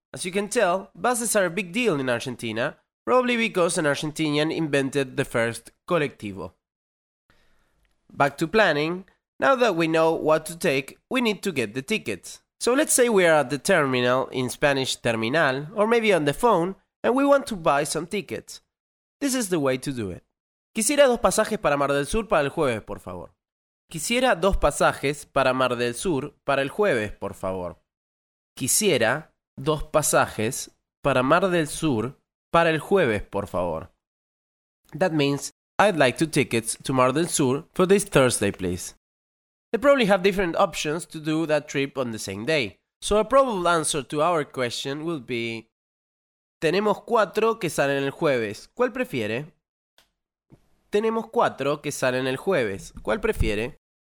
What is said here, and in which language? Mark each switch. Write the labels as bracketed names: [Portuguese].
[English] As you can tell, buses are a big deal in Argentina, probably because an Argentinian invented the first colectivo. Back to planning, now that we know what to take, we need to get the tickets. So let's say we are at the terminal, in Spanish terminal, or maybe on the phone, and we want to buy some tickets. This is the way to do it. [Spanish] Quisiera dos pasajes para Mar del Sur para el jueves, por favor. Quisiera dos pasajes para Mar del Sur para el jueves, por favor. Quisiera dos pasajes para Mar del Sur para el jueves, por favor. [English] That means, I'd like two tickets to Mar del Sur for this Thursday, please. They probably have different options to do that trip on the same day. So a probable answer to our question will be... [Spanish] Tenemos cuatro que salen el jueves. ¿Cuál prefiere? Tenemos cuatro que salen el jueves. ¿Cuál prefiere?